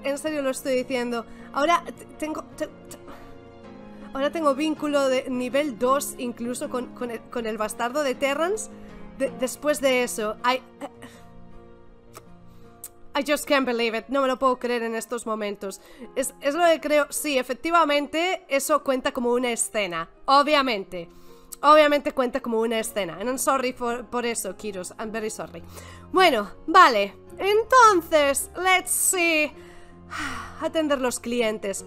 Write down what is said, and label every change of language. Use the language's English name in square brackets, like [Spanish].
[Spanish] En serio lo estoy diciendo. Ahora tengo... ahora tengo vínculo de nivel 2 incluso con el bastardo de Terrans. Después de eso, [English] I just can't believe it. [Spanish] No me lo puedo creer en estos momentos. Es lo que creo. Sí, efectivamente, eso cuenta como una escena. Obviamente. Obviamente cuenta como una escena. [English] And I'm sorry [Spanish] por eso, [English] Kiros. I'm very sorry. [Spanish] Bueno, vale. Entonces, [English] let's see. [Spanish] Atender los clientes.